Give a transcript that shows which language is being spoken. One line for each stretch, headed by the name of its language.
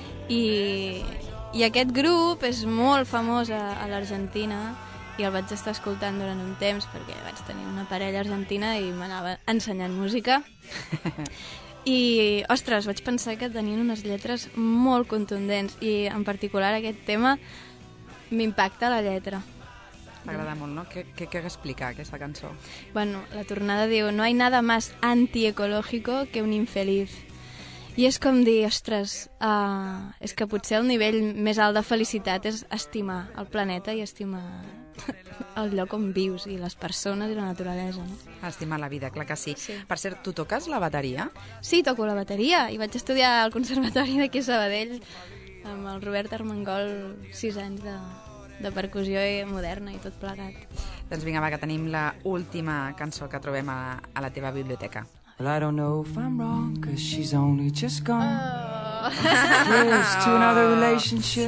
Catalan: I aquest grup és molt famós a l'Argentina i el vaig estar escoltant durant un temps perquè vaig tenir una parella argentina i m'anava ensenyant música. I, ostres, vaig pensar que tenien unes lletres molt contundents i, en particular, aquest tema m'impacta la lletra. M'agrada molt, no? Què explica aquesta cançó? Bueno, la tornada diu
Spanish: "No hay nada más antiecológico que un infeliz".
Catalan: I és com dir, ostres, és que potser el nivell més alt de felicitat és estimar el planeta i estimar el lloc on vius i les persones i la naturalesa, no? Estimar la vida, clar que sí. Sí. Per cert, tu toques la bateria? Sí, toco la bateria i vaig estudiar al Conservatori d'aquí a Sabadell amb el Robert Armengol, 6 anys de percussió i moderna i tot plegat. Doncs vinga, va, que tenim la última cançó que trobem a la teva biblioteca.
English: Well, I don't know if I'm wrong, 'cause she's only just gone. Oh. To another relationship.